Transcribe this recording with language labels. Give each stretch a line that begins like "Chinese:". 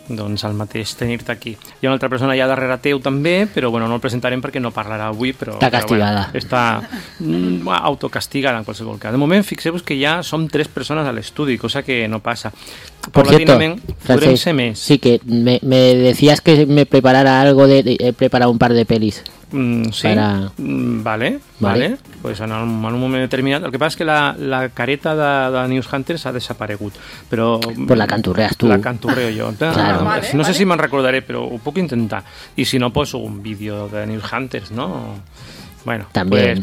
Catalan: Doncs el mateix, tenir-te aquí. Hi ha una altra persona allà darrere teu també, però bueno, no el presentarem perquè no parlarà avui. Però, està castigada. Però, bueno, està autocastigada en qualsevol cas. De moment, fixeu-vos que ja som tres persones a l'estudi, cosa que no passa.
Spanish: Por cierto, Francesc, sí que me decías que me preparara algo, he preparado un par de pelis. Sí, para...
Catalan: vale. Pues en un moment determinat. El que passa és que la careta de News Hunters ha desaparegut. Però
Spanish: pues la canturreas tú. La canturreo yo. Claro.
Catalan: No, no sé si me'n recordaré, però ho puc intentar. I si no, poso un vídeo de News Hunters, no? Bueno,
Spanish: también,